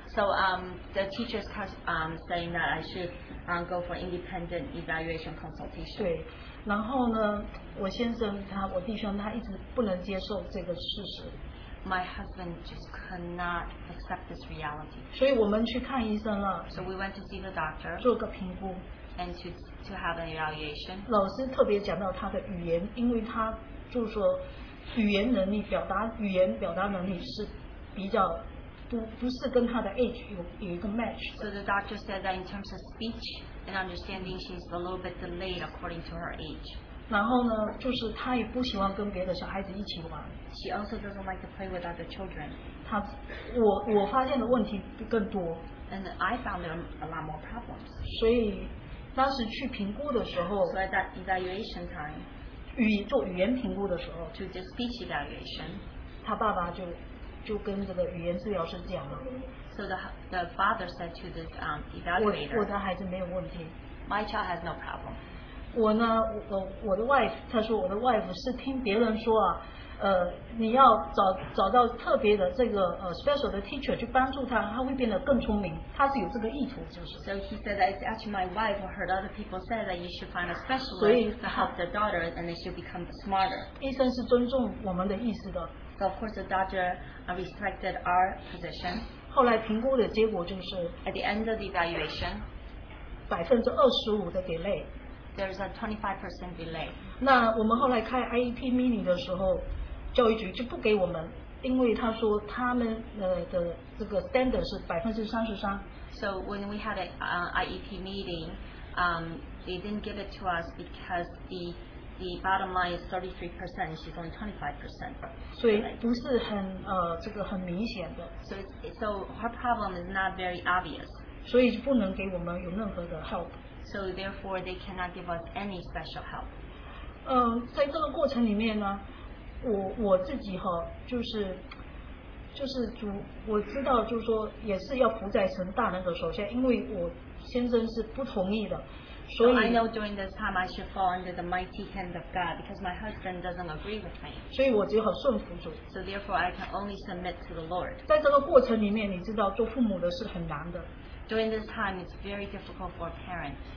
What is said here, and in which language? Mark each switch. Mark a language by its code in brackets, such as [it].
[en] So the teachers saying that I should go for independent evaluation consultation. [zh] 对。然后呢，我先生他，我弟兄他一直不能接受这个事实。 [en] My husband just could not accept this reality. [zh] 所以我们去看医生了。 [en] So we went to see the doctor. [zh] 做个评估。 [en] And to have an evaluation. [zh] 老师特别讲到他的语言，因为他就是说语言能力表达能力是比较不是跟他的 age 有一个 match。 [en] So the doctor said that in terms of speech. And understanding she's a little bit delayed according to her age. [zh] 然后呢，就是她也不喜欢跟别的小孩子一起玩。 [en] She also doesn't like to play with other children. [zh] 她，我发现的问题更多。 [en] And I found there a lot more problems. [zh] 所以当时去评估的时候。 [en] So at that evaluation time. [zh] 做语言评估的时候。 [en] To do speech evaluation. [zh] 她爸爸就跟这个语言治疗师讲了。 [en] So the father said to this evaluator, [zh] 我的孩子没有问题。 [en] My child has no problem. [zh] 我呢，我的 wife, 他说我的 wife 是听别人说啊，你要找到特别的这个special 的 teacher 去帮助他，他会变得更聪明。他是有这个意图，就是。 [en] So he said that it's actually my wife who heard other people say that you should find a specialist to help the daughter and they should become smarter. [zh] 医生是尊重我们的意思的。 [en] So of course the doctor respected our position. [zh] 后来评估的结果就是 [en] at the end of the evaluation, [zh] 25%的 delay. [en] There's a 25% delay. [zh] 那我们后来开 IEP meeting 的时候，教育局就不给我们，因为他说他们的这个 standard 是33%. [en] So when we had an IEP meeting, they didn't give it to us because the bottom line is 33%, she's only 25%. [zh] 所以不是很这个很明显的。 [en] So her problem is not very obvious. [zh] 所以不能给我们有任何的 help. [en] So therefore they cannot give us any special help. [zh] 在这个过程里面呢，我自己哈，就是主，我知道就是说也是要服在神大能的手下，因为我先生是不同意的。 [en] So I know during this time I should fall under the mighty hand of God because my husband doesn't agree with me. [zh] 所以我只好顺服主。 [en] So therefore I can only submit to the Lord. [zh] 在这个过程里面，你知道做父母的是很难的。 [en] During this time it's very difficult for parents.